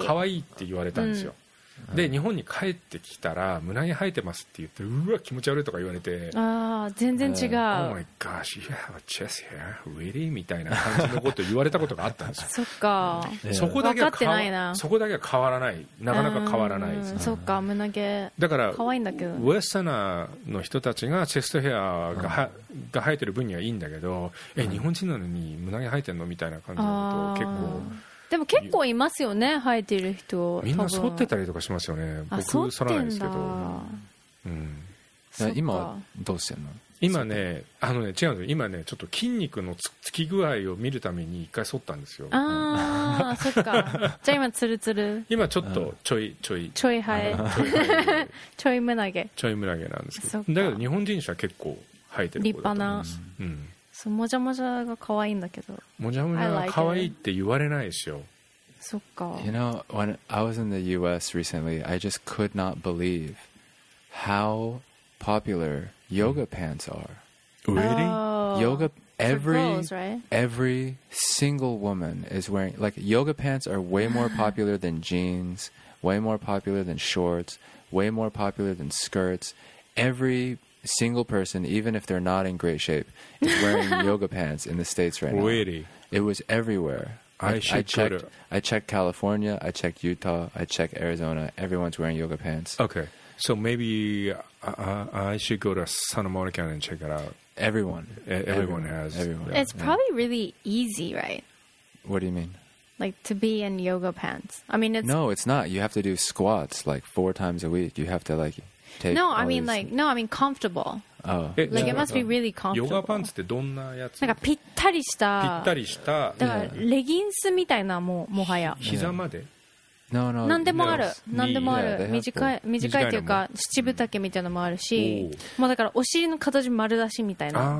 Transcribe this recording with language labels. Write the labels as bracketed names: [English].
[Japanese] そう、可愛いって言われたんですよ。うんで日本に帰ってきたら胸毛生えてますって言ってうわ気持ち悪いとか言われてあ全然違う [English] Oh my gosh, you have a chest hair? Really? [Japanese] みたいな感じのことを言われたことがあったんですよそっか、そこだけは分かってないなそこだけは変わらないなかなか変わらないそっか胸毛だから可愛いんだけどウエスタナーの人たちがチェストヘアが生えてる分にはいいんだけど、うん、え日本人なのに胸毛生えてんのみたいな感じのことを結構でも結構いますよね生えている人みんな剃ってたりとかしますよね僕剃らないですけど、うん、今どうしてんの今 ね, あのね違うんです今ねちょっと筋肉のつき具合を見るために一回剃ったんですよあそっかじゃあ今ツルツル今ちょっとちょい生えちょい胸毛ちょい胸毛なんですけどだけど日本人種は結構生えてる立派なうんそうもじゃもじゃが可愛いんだけど。もじゃもじゃが可愛いって言われないですよ。そっか。 [English] You know, when I was in the U.S. recently, I just could not believe how popular yoga pants are. Really? Yoga, every, girls, right? every single woman is wearing, like, yoga pants are way more popular than jeans, way more popular than shorts, way more popular than skirts. Every single person, even if they're not in great shape, is wearing yoga pants in the States right now. Really? It was everywhere. I checked California, I checked Utah, I checked Arizona. Everyone's wearing yoga pants. Okay. So maybe I should go to Santa Monica and check it out. Everyone has. It's probably really easy, right? What do you mean? Like to be in yoga pants. I mean, it's... No, it's not. You have to do squats like 4 times a week. You have to like... No, I mean comfortable. Oh. Like it must be really comfortable. [Japanese] ヨガパンツってどんなやつ？なんかぴったりした。ぴったりした。だからレギンスみたいなももはや。膝まで。 [English] No, no. [Japanese] 何でもある。何でもある。短いっていうか七分丈みたいなのもあるし、もうだからお尻の形丸出しみたいな。